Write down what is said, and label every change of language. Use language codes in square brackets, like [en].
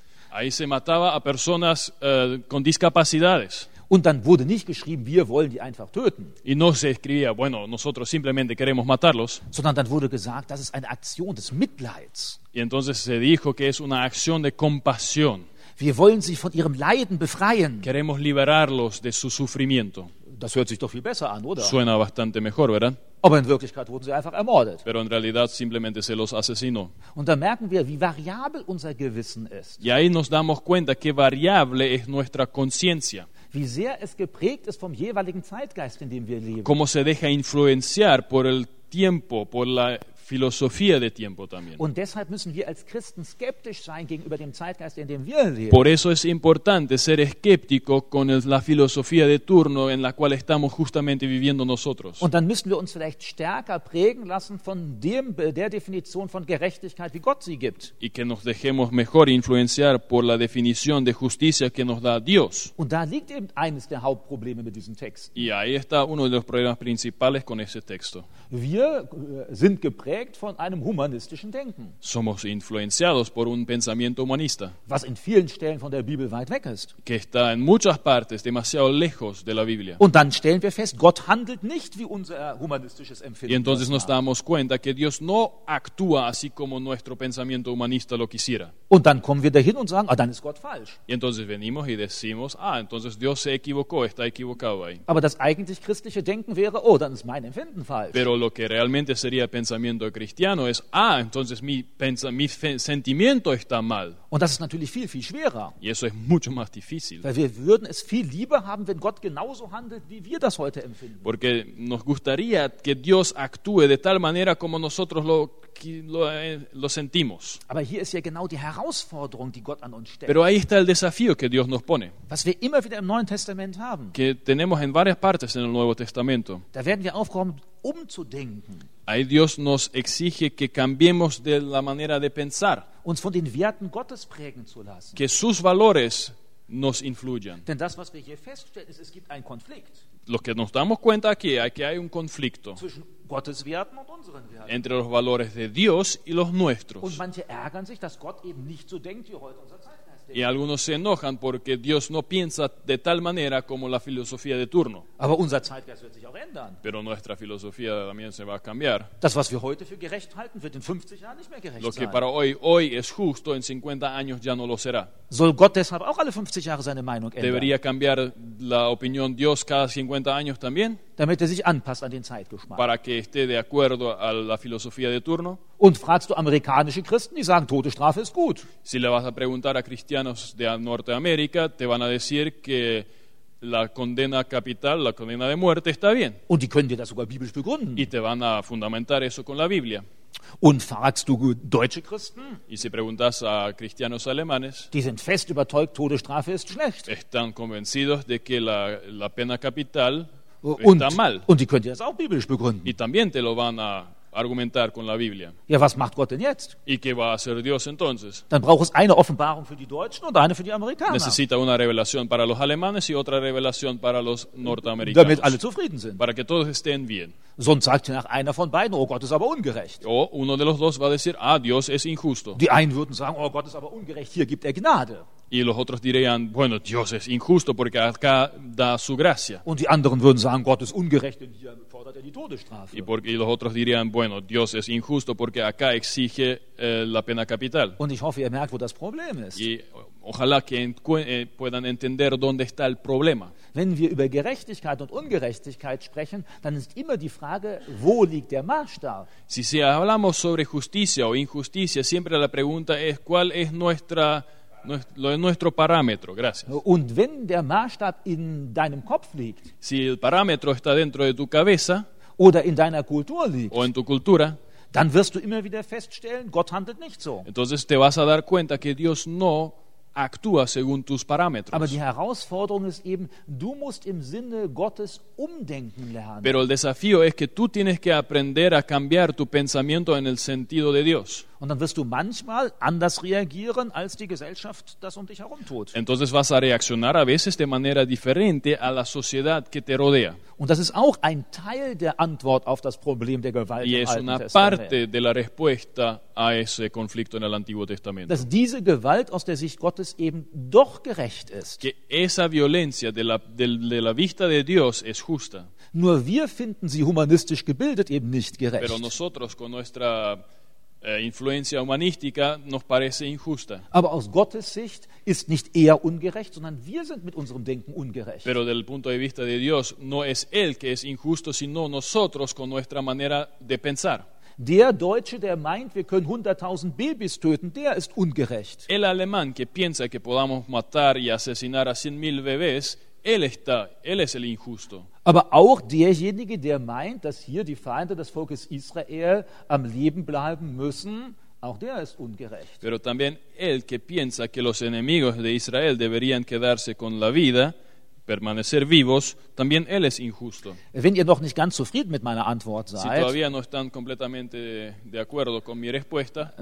[es] Ahí se mataba a personas con discapacidades. [de] Und dann wurde nicht geschrieben, wir wollen die einfach töten. [es] Y no se escribía, bueno, nosotros simplemente queremos matarlos. [de] Sondern dann wurde gesagt, das ist eine Aktion des Mitleids. [es] Y entonces se dijo que es una acción de compasión. [de] Wir wollen sie von ihrem Leiden befreien. [es] Queremos liberarlos de su sufrimiento. [de] Das hört sich doch viel besser an, oder? [es] Suena bastante mejor, ¿verdad? [de] Aber in Wirklichkeit wurden sie einfach ermordet. [es] Pero en realidad simplemente se los asesinó. [de] Und da merken wir, wie variabel unser Gewissen ist. [es] Y ahí nos damos cuenta qué variable es nuestra conciencia. [de] Wie sehr es geprägt ist vom jeweiligen Zeitgeist, in dem wir leben. [es] Cómo se deja influenciar por el tiempo, por la filosofía de tiempo también. [de] Und deshalb müssen wir als Christen skeptisch sein gegenüber dem Zeitgeist, in dem wir leben. [es] Por eso es importante ser escéptico con la filosofía de turno en la cual estamos justamente viviendo nosotros. [de] Und dann müssen wir uns vielleicht stärker prägen lassen von dem der Definition von Gerechtigkeit, wie Gott sie gibt. [es] Y que nos dejemos mejor influenciar por la definición de justicia que nos da Dios. [de] Und da liegt eben eines der Hauptprobleme mit diesem Text. [es] Y ahí está uno de los problemas principales con ese texto. [de] Wir sind geprägt von einem humanistischen Denken. [es] Somos influenciados por un pensamiento humanista. [de] Was in vielen Stellen von der Bibel weit weg ist. [es] Que está en muchas partes demasiado lejos de la Biblia. [de] Und dann stellen wir fest, Gott handelt nicht wie unser humanistisches Empfinden. [es] Y entonces nos damos cuenta que Dios no actúa así como nuestro pensamiento humanista lo quisiera. [de] Und dann kommen wir dahin und sagen, ah, dann ist Gott falsch. [es] Y entonces venimos y decimos, ah, entonces Dios se equivocó, está equivocado ahí. [de] Aber das eigentlich christliche Denken wäre, oh, dann ist mein Empfinden falsch. [es] Pero lo que realmente sería pensamiento cristiano es, ah, entonces mi sentimiento está mal. [de] Und das ist natürlich viel, viel schwerer. [es] Y eso es mucho más difícil. [de] Weil wir würden es viel lieber haben, wenn Gott genauso handelt, wie wir das heute empfinden. [es] Porque nos gustaría que Dios actúe de tal manera como nosotros lo sentimos. [de] Aber hier ist ja genau die Herausforderung, die Gott an uns stellt. [es] Pero ahí está el desafío que Dios nos pone. [de] Was wir immer wieder im Neuen Testament haben. [es] Que tenemos en varias partes en el Nuevo Testamento. [de] Da werden wir aufgerufen, umzudenken. [es] Ahí Dios nos exige que cambiemos de la manera de pensar. [de] Uns von den Werten Gottes prägen zu lassen. [es] Que sus valores nos influyan. [de] Denn das, was wir hier feststellen, ist, es gibt einen Konflikt. [es] Lo que nos damos cuenta aquí es que hay un conflicto. [de] Zwischen Gottes Werten und unseren Werten. [es] Entre los valores de Dios y los nuestros. [de] Und manche ärgern sich, dass Gott eben nicht so denkt, wie heute unser Zeitgeist. [es] Y algunos se enojan porque Dios no piensa de tal manera como la filosofía de turno. [de] Aber unser Zeitgeist wird sich auch ändern. [es] Pero nuestra filosofía también se va a cambiar. [de] Das, was wir heute für gerecht halten, wird in 50 Jahren nicht mehr gerecht sein. [es] Lo que para hoy es justo, en 50 años ya no lo será. [de] Soll Gott deshalb auch alle 50 Jahre seine Meinung ändern? [es] ¿Debería cambiar la opinión Dios cada 50 años también? [de] Damit er sich anpasst an den Zeitgeschmack. [es] Para que esté de acuerdo a la filosofía de turno. [de] Und fragst du amerikanische Christen, die sagen, tote Strafe ist gut. [es] Si le vas a preguntar a cristianos de Norteamérica, te van a decir que la condena capital, la condena de muerte, está bien. [de] Und die können dir das sogar biblisch begründen. [es] Y te van a fundamentar eso con la Biblia. [de] Und fragst du deutsche Christen? [es] Y si preguntas a cristianos alemanes, [de] die sind fest überzeugt, tote Strafe ist schlecht. [es] Están convencidos de que la pena capital está mal. [de] Und die können dir das auch biblisch begründen. [es] Y también te lo van a argumentar con la Biblia. [de] Ja, was macht Gott denn jetzt? [es] ¿Y qué va a hacer Dios entonces? [de] Dann braucht es eine Offenbarung für die Deutschen und eine für die Amerikaner. [es] Necesita una revelación para los alemanes y otra revelación para los norteamericanos. [de] Damit alle zufrieden sind. [es] Para que todos estén bien. [de] Sonst sagt nach einer von beiden, oh Gott ist aber ungerecht. [es] O uno de los dos va a decir, ah, Dios es injusto. [de] Die einen würden sagen, oh Gott ist aber ungerecht, hier gibt er Gnade. [es] Y los otros dirían, bueno, Dios es injusto porque acá da su gracia. [de] Und die anderen würden sagen, Gott ist ungerecht, denn hier fordert er die Todesstrafe. [es] Y los otros dirían, bueno, Dios es injusto porque acá exige la pena capital. [de] Und ich hoffe, ihr merkt, wo das Problem ist. [es] Y ojalá que puedan entender dónde está el problema. [de] Wenn wir über Gerechtigkeit und Ungerechtigkeit sprechen, dann ist immer die Frage, wo liegt der Maßstab? [es] Si hablamos sobre justicia o injusticia, siempre la pregunta es, ¿cuál es nuestra... lo es nuestro parámetro, gracias. [de] Und wenn der Maßstab in deinem Kopf liegt, [es] si el parámetro está dentro de tu cabeza, [de] oder in deiner Kultur liegt, [es] o en tu cultura, [de] dann wirst du immer wieder feststellen, Gott handelt nicht so. [es] Entonces te vas a dar cuenta que Dios no actúa según tus parámetros. [de] Aber die Herausforderung ist eben, du musst im Sinne Gottes umdenken lernen. [es] Pero el desafío es que tú tienes que aprender a cambiar tu pensamiento en el sentido de Dios. [de] Und dann wirst du manchmal anders reagieren, als die Gesellschaft das um dich herum tut. [es] Entonces vas a reaccionar a veces de manera diferente a la sociedad que te rodea. [de] Und das ist auch ein Teil der Antwort auf das Problem der Gewalt im Alten Testament. [es] Y es una parte de la respuesta a ese conflicto en el Antiguo Testamento. [de] Dass diese Gewalt aus der Sicht Gottes eben doch gerecht ist. [es] Que esa violencia de la vista de Dios es justa. [de] Nur wir finden sie humanistisch gebildet eben nicht gerecht. [es] Pero nosotros con nuestra influencia humanística nos parece injusta. [de] Aber aus Gottes Sicht ist nicht er ungerecht, sondern wir sind mit unserem Denken ungerecht. [es] Pero del punto de vista de Dios no es él que es injusto, sino nosotros con nuestra manera de pensar. [de] Der Deutsche, der meint, wir können 100.000 Babys töten, der ist ungerecht. [es] El alemán que piensa que podamos matar y asesinar a 100.000 bebés, él es el injusto. [de] Aber auch derjenige, der meint, dass hier die Feinde des Volkes Israel am Leben bleiben müssen, auch der ist ungerecht. [es] Pero también el que piensa que los enemigos de Israel deberían quedarse con la vida, permanecer vivos, también él es injusto. [de] Wenn ihr noch nicht ganz zufrieden mit meiner Antwort seid, [es] si todavía no están completamente de acuerdo con mi respuesta,